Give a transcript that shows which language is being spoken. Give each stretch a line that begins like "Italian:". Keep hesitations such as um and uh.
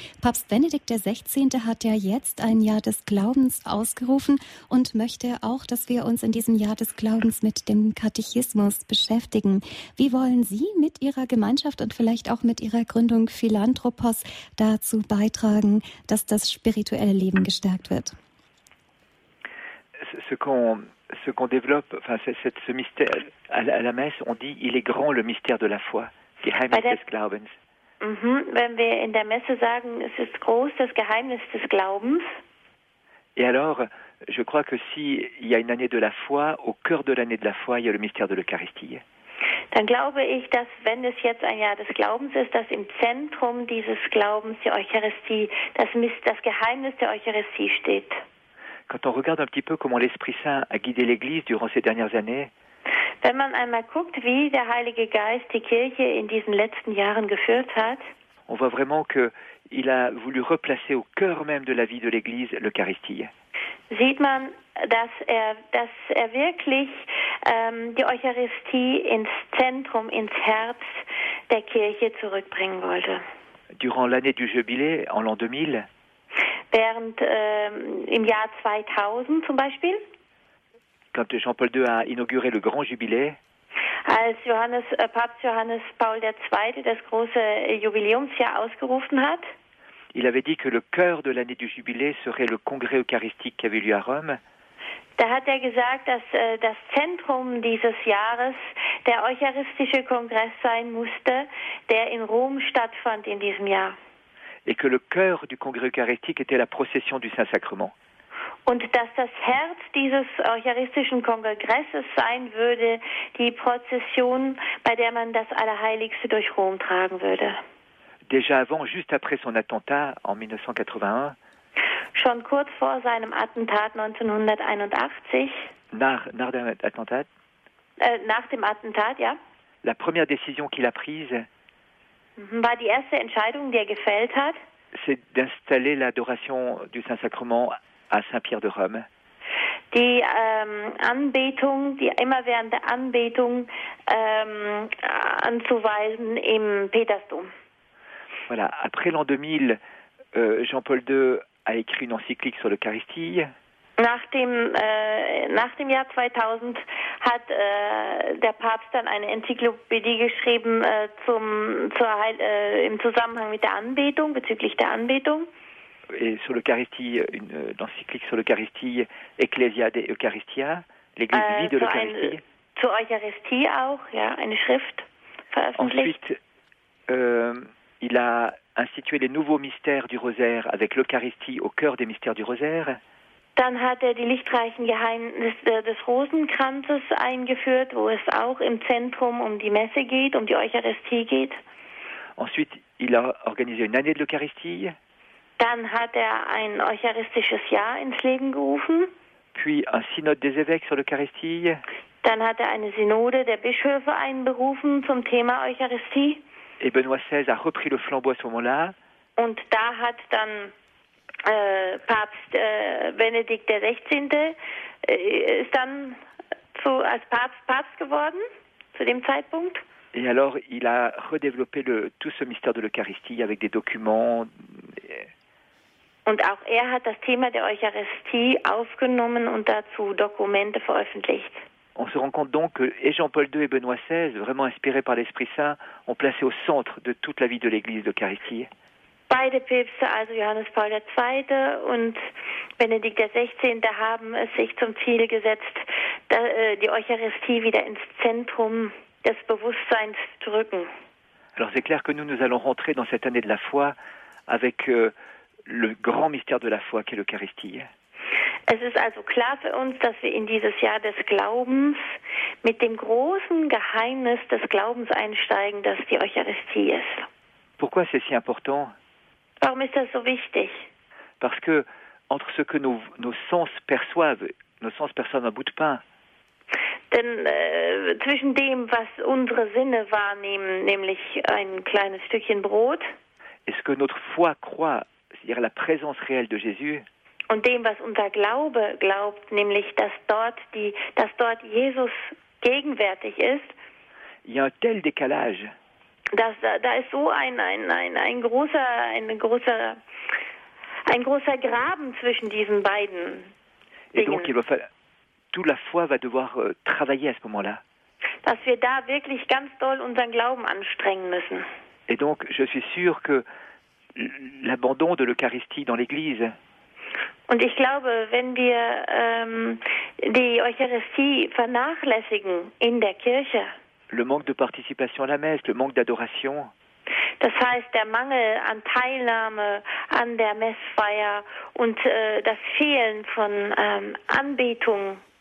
German: Papst Benedikt XVI. hat ja jetzt ein Jahr des Glaubens ausgerufen und möchte auch, dass wir uns in diesem Jahr des Glaubens mit dem Katechismus beschäftigen. Wie wollen Sie mit Ihrer Gemeinschaft und vielleicht auch mit Ihrer Gründung Philanthropos dazu beitragen, dass das spirituelle Leben gestärkt wird?
French: ce- ce qu'on ce qu'on développe, enfin c'est- c'est ce mystère à la, à la messe, on dit il est grand le mystère de la foi,
German: Geheimnis
French: Madame-
German: des Glaubens. Mhm. Wenn wir in der Messe sagen, es ist groß das Geheimnis des Glaubens,
French: Et alors, je crois que si il y a une année de la foi, au cœur de l'année de la foi, il y a le mystère de l'Eucharistie.
German: dann glaube ich, dass wenn es jetzt ein Jahr des Glaubens ist, dass im Zentrum dieses Glaubens die Eucharistie, das, Mis- das Geheimnis der Eucharistie steht.
French: Quand on regarde un petit peu comment l'Esprit Saint a guidé l'Église durant ces dernières années,
German: Wenn man einmal guckt, wie der Heilige Geist die Kirche in diesen letzten Jahren geführt hat,
French: on voit vraiment que il a voulu replacer au cœur même de la vie de l'Église l'Eucharistie.
German: sieht man, dass er, dass er wirklich ähm, die Eucharistie ins Zentrum, ins Herz der Kirche zurückbringen wollte.
French: Durant l'année du Jubilé, en l'an 2000,
German: Während ähm, im Jahr 2000 zum Beispiel,
French: quand Jean-Paul II a inauguré le grand jubilé,
German: als Johannes, äh, Papst Johannes Paul II. das große Jubiläumsjahr ausgerufen hat,
French: il avait dit que le cœur de l'année du Jubilé serait le congrès eucharistique qui avait lieu à Rome,
German: da hat er gesagt, dass äh, das Zentrum dieses Jahres der Eucharistische Kongress sein musste, der in Rom stattfand in diesem Jahr.
French: et que le cœur du congrès eucharistique était la procession du Saint-Sacrement.
German: Und dass das Herz dieses Eucharistischen Kongresses sein würde, die Prozession, bei der man das Allerheiligste durch Rom tragen würde.
French: Déjà avant, juste après son attentat en 1981,
German: Schon kurz vor seinem Attentat 1981,
French: Nar- Nard attentat,
German: äh, nach dem Attentat, ja,
French: la première décision qu'il a prise,
German: mhm, war die erste Entscheidung, die er gefällt hat,
French: c'est d'installer l'adoration du Saint-Sacrement à Saint-Pierre de Rome.
German: die ähm, Anbetung, die immerwährende Anbetung ähm, anzuweisen im Petersdom.
French: Voilà. Après l'an 2000, euh, Jean-Paul II a écrit une encyclique sur l'Eucharistie.
German: Nach dem, äh, nach dem Jahr 2000 hat äh, der Papst dann eine Enzyklopädie geschrieben äh, zum, zur Heil, äh, im Zusammenhang mit der Anbetung, bezüglich der Anbetung.
French: et sur l'Eucharistie, une euh, encyclique sur l'Eucharistie, Ecclesia de Eucharistia, l'Église Äh, vie de
German: zu ein,
French: l'Eucharistie.
German: zur Eucharistie auch, ja, eine Schrift veröffentlicht.
French: Ensuite, euh, il a institué les nouveaux mystères du rosaire avec l'Eucharistie au cœur des mystères du rosaire.
German: Dann hat er die lichtreichen Geheimnisse äh, des Rosenkranzes eingeführt, wo es auch im Zentrum um die Messe geht, um die Eucharistie geht.
French: Ensuite, il a organisé une année de l'Eucharistie,
German: Dann hat er ein eucharistisches Jahr ins Leben gerufen.
French: puis un synode des évêques sur l'Eucharistie,
German: Dann hat er eine Synode der Bischöfe einberufen zum Thema Eucharistie.
French: et Benoît XVI a repris le flambeau à ce moment-là.
German: Und da hat dann äh, Papst äh, Benedikt XVI. Äh, ist dann zu, als Papst Papst geworden zu dem Zeitpunkt.
French: Et alors, il a redéveloppé le, tout ce mystère de l'Eucharistie avec des documents.
German: Und auch er hat das Thema der Eucharistie aufgenommen und dazu Dokumente veröffentlicht.
French: On se rend compte donc que et Jean-Paul II et Benoît XVI, vraiment inspirés par l'Esprit Saint, ont placé au centre de toute la vie de l'Église l'Eucharistie.
German: Beide Päpste, also Johannes Paul II. und Benedikt XVI., haben es sich zum Ziel gesetzt, da- äh, die Eucharistie wieder ins Zentrum des Bewusstseins zu rücken.
French: Alors c'est clair que nous, nous allons rentrer dans cette année de la foi avec euh, le grand mystère de la foi qu'est l'Eucharistie.
German: Es ist also klar für uns, dass wir in dieses Jahr des Glaubens mit dem großen Geheimnis des Glaubens einsteigen, das die Eucharistie ist.
French: Pourquoi c'est si important
German: Warum ist das so wichtig?
French: Parce que entre ce que nos, nos sens perçoivent, nos sens perçoivent un bout de pain,
German: Denn äh, zwischen dem, was unsere Sinne wahrnehmen, nämlich ein kleines Stückchen Brot,
French: et ce que notre foi croit, c'est-à-dire la présence réelle de Jésus,
German: und dem, was unser Glaube glaubt, nämlich dass dort die, dass dort Jesus gegenwärtig ist,
French: il y a un tel décalage
German: dass da, da ist so ein ein ein ein großer ein großer ein großer Graben zwischen diesen beiden.
French: Et donc,
German: Dingen,
French: il va falloir, toute la foi va devoir euh, travailler à ce moment-là.
German: dass wir da wirklich ganz doll unseren Glauben anstrengen müssen.
French: Et donc, je suis sûr que l- l'abandon de l'Eucharistie dans l'Église,
German: Und ich glaube, wenn wir ähm, die Eucharistie vernachlässigen in der Kirche,
French: le manque de participation à la messe, le manque d'adoration,
German: das heißt der Mangel an Teilnahme an der Messfeier und äh, das Fehlen von ähm, Anbetung,